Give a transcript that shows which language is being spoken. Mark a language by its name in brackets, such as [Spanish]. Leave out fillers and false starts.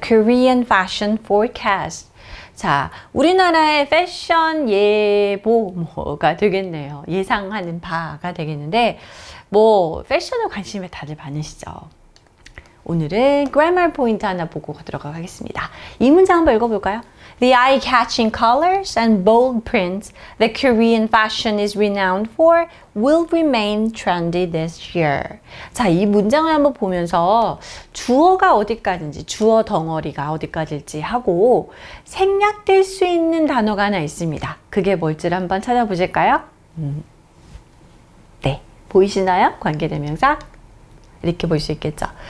[English] Korean Fashion Forecast. [Korean] 자, 우리나라의 패션 예보 뭐가 되겠네요. 예상하는 바가 되겠는데, 뭐 패션에 관심이 다들 많으시죠? 오늘은 grammar 포인트 하나 보고 가도록 하겠습니다. 이 문장 한번 읽어볼까요? [English] The eye-catching colors and bold prints that Korean fashion is renowned for will remain trendy this year. [Korean] 자, 이 문장을 한번 보면서 주어가 어디까지인지, 주어 덩어리가 어디까지일지 하고 생략될 수 있는 단어가 하나 있습니다. 그게 뭘지 한번 찾아보실까요? 네, 보이시나요? 관계대명사. 이렇게 볼 수 있겠죠.